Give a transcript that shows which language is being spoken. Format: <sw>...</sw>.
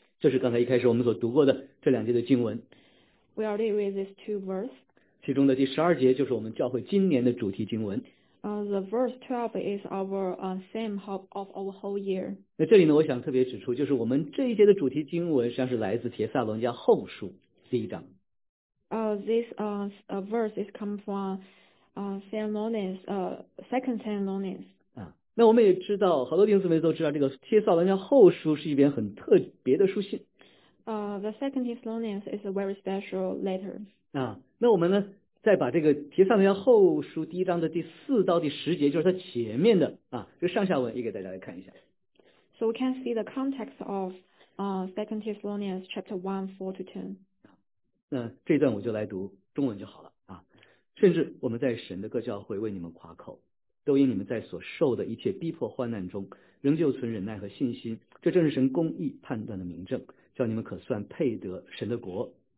<zh>这是刚才一开始我们所读过的这两节的经文。</zh> <en>We already read these two verses.</en> <zh>其中的第十二节就是我们教会今年的主题经文。</zh> <en>The verse 12 is our same hope of our whole year.</en> <zh>那这里呢，我想特别指出，就是我们这一节的主题经文实际上是来自帖撒罗尼迦后书第一章。</zh> <en>This verse is come from Thessalonians, second Thessalonians.</en> <zh>啊，那我们也知道，好多弟兄姊妹都知道，这个帖撒罗尼迦后书是一篇很特别的书信。</zh> <en>The second Thessalonians is a very special letter.</en> <zh>啊，那我们呢？再把这个提上的后书第一章的第四到第十节，就是它前面的啊，这上下文也给大家来看一下。</zh> <en>So we can see the context of Second Thessalonians chapter 1:4-10.</en> <zh>那这段我就来读中文就好了啊。甚至我们在神的各教会为你们夸口，都因你们在所受的一切逼迫患难中，仍旧存忍耐和信心，这正是神公义判断的明证，叫你们可算配得神的国。</zh>